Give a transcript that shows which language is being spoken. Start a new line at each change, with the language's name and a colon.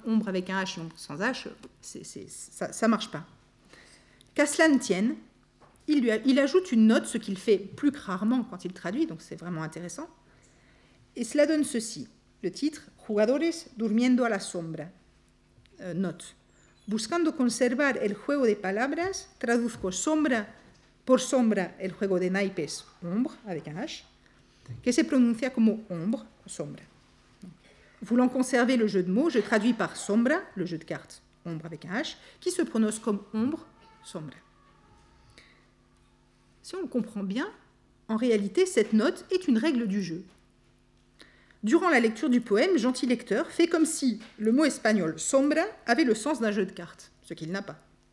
French: Ombre avec un H, ombre sans H, ça ne marche pas. Qu'à cela ne tienne, il ajoute une note, ce qu'il fait plus que rarement quand il traduit, donc c'est vraiment intéressant. Et cela donne ceci, le titre « Jugadores durmiendo a la sombra ». Note.
Spanish: « Buscando conservar el juego de palabras, traduzco sombra por sombra el juego de naipes, ombre,
French: avec un H,
Spanish: que se pronuncia como ombre, sombra.
French: Voulant conserver le jeu de mots, je traduis par sombra, le jeu de cartes, ombre avec un H, qui se prononce comme ombre, sombra. » Si on le comprend bien, en réalité, cette note est une règle du jeu. Durant la lecture du poème, gentil lecteur fait comme si le mot espagnol « sombra » avait le sens d'un jeu de cartes, ce qu'il n'a pas.